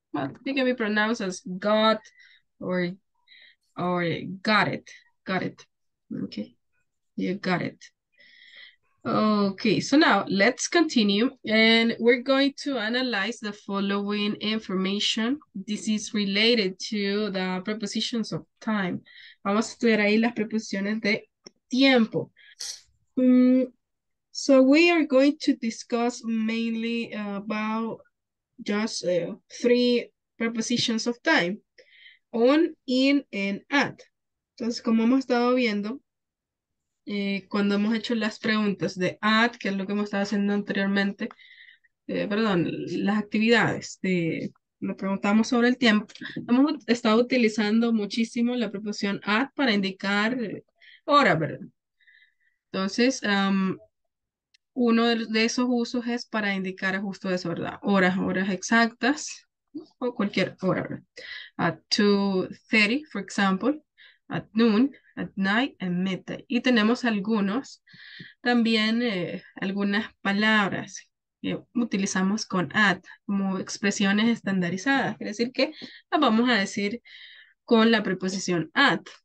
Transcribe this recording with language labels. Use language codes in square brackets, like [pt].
[en] But it can be pronounced as got or got it. Okay, you got it. Okay, so now let's continue. And we're going to analyze the following information. This is related to the prepositions of time. [es] Vamos a estudiar ahí las preposiciones de tiempo. [en] So we are going to discuss mainly about just three prepositions of time, on, in, and at. [es] Entonces, como hemos estado viendo, cuando hemos hecho las preguntas de at, que es lo que hemos estado haciendo anteriormente, perdón, las actividades, nos preguntamos sobre el tiempo, hemos estado utilizando muchísimo la preposición at para indicar hora, ¿verdad? Entonces, uno de esos usos es para indicar justo eso, ¿verdad? Horas exactas o cualquier hora. [en] At 2:30, for example, at noon, at night, and midday. [es] Y tenemos algunos, también algunas palabras que utilizamos con at como expresiones estandarizadas. Quiere decir que las vamos a decir con la preposición at.